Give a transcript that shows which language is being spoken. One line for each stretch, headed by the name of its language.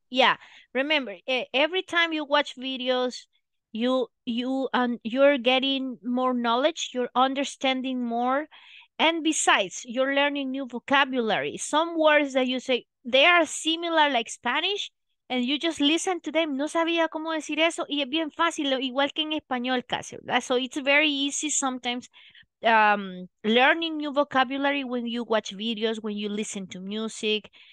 English: Yeah, remember, every time you watch videos, you're getting more knowledge, you're understanding more, and besides, you're learning new vocabulary. Some words that you say, they are similar like Spanish, and you just listen to them.
Spanish: No sabía cómo decir eso, y es bien fácil, igual que en español casi, ¿verdad?
English: So it's very easy sometimes learning new vocabulary when you watch videos, when you listen to music.